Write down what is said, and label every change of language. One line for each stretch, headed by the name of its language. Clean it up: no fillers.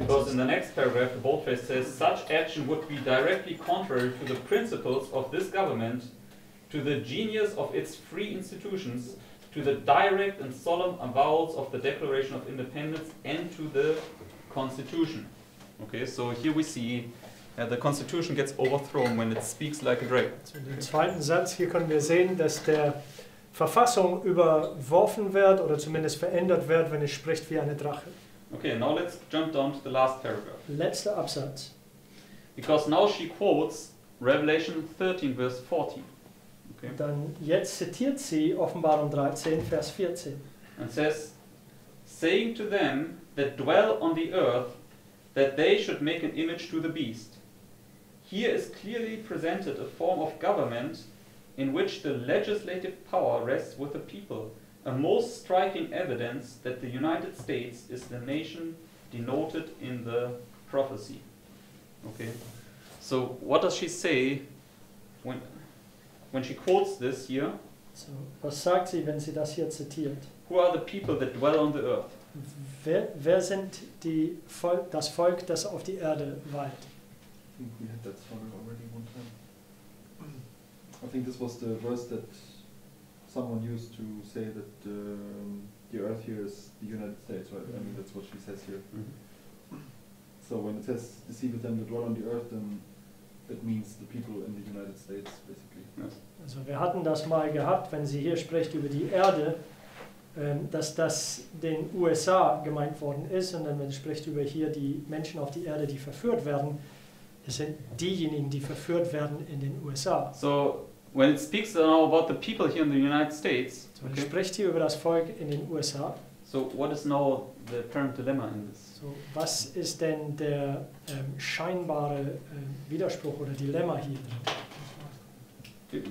English: Because in the next paragraph, the boldface says such action would be directly contrary to the principles of this government, to the genius of its free institutions, to the direct and solemn avowals of the Declaration of Independence, and to the Constitution. Okay, so here we see that the Constitution gets overthrown when it speaks like a dragon.
German: So in dem zweiten Satz hier können wir sehen, dass der Verfassung überworfen wird oder zumindest verändert wird, wenn es spricht wie eine Drache.
English: Okay, now let's jump down to the last paragraph.
German: Letzter Absatz.
English: Because now she quotes Revelation 13, verse 14.
German: Und dann jetzt zitiert sie Offenbarung 13, Vers 14.
English: And says, saying to them that dwell on the earth, that they should make an image to the beast. Here is clearly presented a form of government in which the legislative power rests with the people, a most striking evidence that the United States is the nation denoted in the prophecy. Okay, so what does she say when... when she quotes this here,
German: so, was sagt sie, wenn sie das hier zitiert?
English: Who are the people that dwell on the earth?
German: Wer sind die Volk, das Volk, das auf die Erde weilt?
English: I think we had that song already one time. I think this was the verse that someone used to say that the earth here is the United States, right? Mm-hmm. I mean, that's what she says here. Mm-hmm. So when it says, deceive them that dwell on the earth, then it means the people in the United States, basically.
German: Also wir hatten das mal gehabt, wenn sie hier spricht über die Erde, dass das den USA gemeint worden ist, und dann wenn sie spricht über hier die Menschen auf die Erde, die verführt werden, es sind diejenigen, die verführt werden in den USA.
English: So, when it speaks now about the people here in the United States, so, okay.
German: Spricht hier über das Volk in den USA.
English: So, what is now the apparent dilemma in this?
German: So, was ist denn der scheinbare Widerspruch oder Dilemma hier drin?